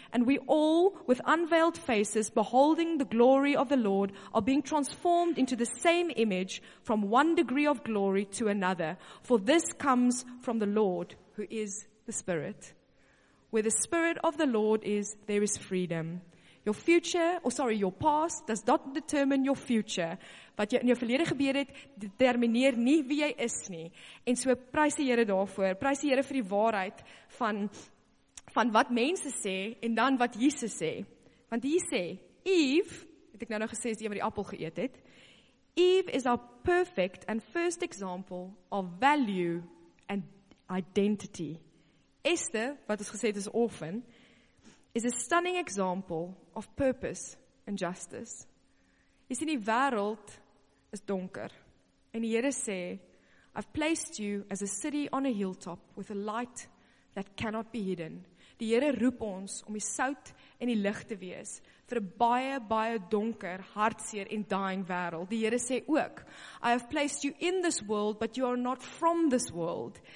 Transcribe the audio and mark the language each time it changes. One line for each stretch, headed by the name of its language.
English: And we all, with unveiled faces, beholding the glory of the Lord, are being transformed into the same image from one degree of glory to another. For this comes from the Lord, who is the Spirit. Where the Spirit of the Lord is, there is freedom. Your past does not determine your future.
Afrikaans: Wat jy in jou verlede gebeur het, determineer nie wie jy is nie. En so prys die Here daarvoor. Prys die Here vir die waarheid van wat mense sê en dan wat Jesus sê. Want hy sê, Eve, het ek nou gesê, is die wat die appel geëet het.
English: Eve is our perfect and first example of value and identity. Esther,
Afrikaans: wat ons gesê het
English: is orphan, is a stunning example of purpose and justice.
Afrikaans: Jy sien, die wêreld is donker. En die Here sê,
English: I've placed you as a city on a hilltop with a light that cannot be hidden.
Afrikaans: Die Here roep ons om die sout en die lig te wees vir 'n baie, baie donker, hartseer en dying wêreld. Die Here sê ook,
English: I have placed you in this world, but you are not from this world.